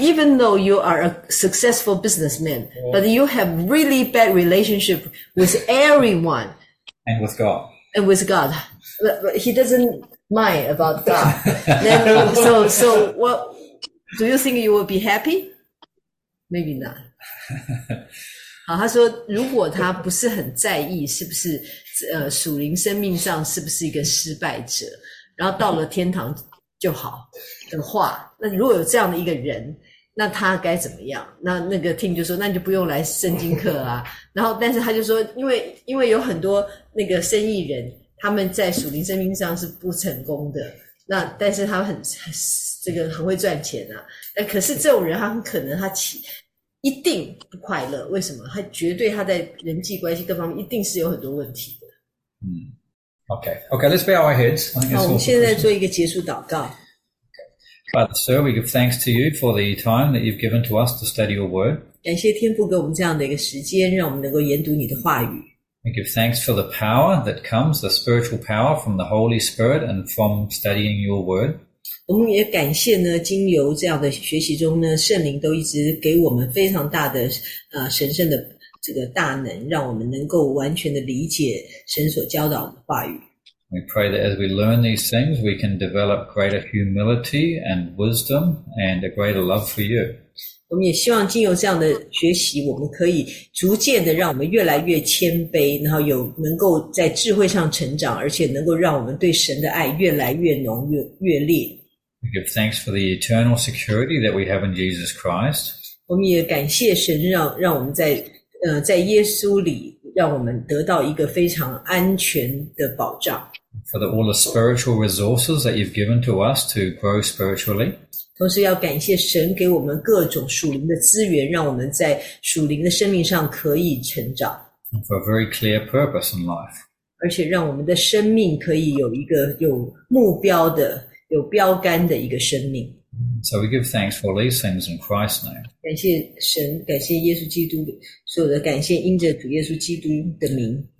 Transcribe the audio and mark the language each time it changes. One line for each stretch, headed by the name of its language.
English: Even though you are a successful businessman, but you have really bad relationship with everyone. And with God. And with God. But he doesn't mind about God. Then, so what, do you think you will be happy? Maybe not.
Chinese: 好，他说如果他不是很在意是不是属灵生命上是不是一个失败者，然后到了天堂就好的话，那如果有这样的一个人，那他该怎么样？那个听就说，那你就不用来圣经课啊。然后但是他就说，因为有很多那个生意人，他们在属灵生命上是不成功的，那但是他很这个很会赚钱啊。那可是这种人，他很可能一定不快乐，为什么？他绝对他在人际关系各方面一定是有很多问题的。
English: Okay, let's bow our heads.
Chinese: 好，我们现在做一个结束祷告。
English: Father, sir, we give thanks to you for the time that you've given to us to study your word.
Chinese: 感谢天父给我们这样的一个时间，让我们能够研读你的话语。
English: We give thanks for the power that comes, the spiritual power from the Holy Spirit and from studying your word.
Chinese: 我们也感谢呢，经由这样的学习中呢，圣灵都一直给我们非常大的神圣的这个大能，让我们能够完全的理解神所教导的话语。
English: We pray that as we learn these things, we can develop greater humility and wisdom and a greater love for you.
Chinese: 我们也希望经由这样的学习，我们可以逐渐的让我们越来越谦卑，然后有能够在智慧上成长，而且能够让我们对神的爱越来越浓越烈。
English: We give thanks for the eternal security that we have in Jesus Christ.
Chinese: 我们也感谢神让我们在耶稣里让我们得到一个非常安全的保障。
English: For the, all the spiritual resources that you've given to us to grow spiritually.
Chinese: 同时要感谢神给我们各种属灵的资源让我们在属灵的生命上可以成长。
English: And for a very clear purpose in life.
Chinese: 而且让我们的生命可以有一个有目标的有标杆的一个生命。
English: So we give thanks for these things in Christ's name.
Chinese: 感谢神，感谢耶稣基督，所有的感谢因着主耶稣基督的名。